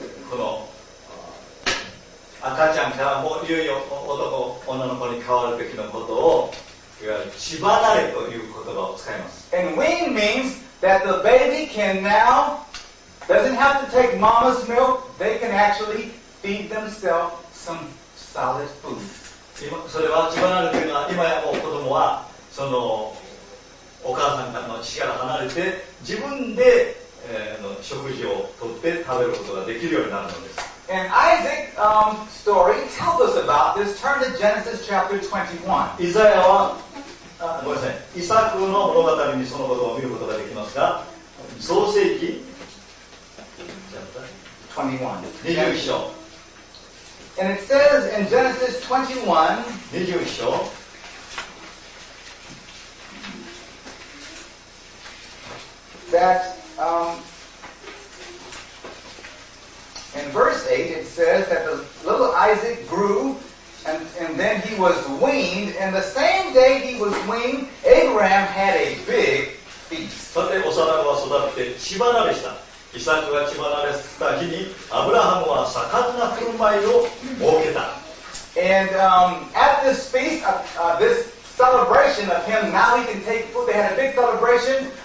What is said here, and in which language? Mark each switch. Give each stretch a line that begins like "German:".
Japanese: この赤ちゃんからもういよいよ男、女の子に変わるべきのことを、いわゆるしばなれという言葉を使います。
English: And wean means that the baby can now, doesn't have to take mama's milk, they can actually feed themselves some solid food.
Japanese: それはしばなれというのは、今やもう子供は、そのお母さんからの父から離れて自分で、食事をとって食べることができるようになるのです。
English: And Isaac, story tells us about this. Turn to Genesis chapter 21.
Japanese: イザヤは、ごめんなさい、イサクの物語にそのことを見ることができますが、創世記21章。
English: And it says in Genesis 21,
Japanese: 21章。
English: That in verse 8 it says that the little Isaac grew and then he was weaned, and the same day he was weaned, Abraham had a big feast.
Japanese: さて、幼子は育って乳離れした。イサクが乳離れした日に、アブラハムは盛んな振る舞いを設けた。
English: And at this feast, this celebration of him, now he can take food, they had a big celebration.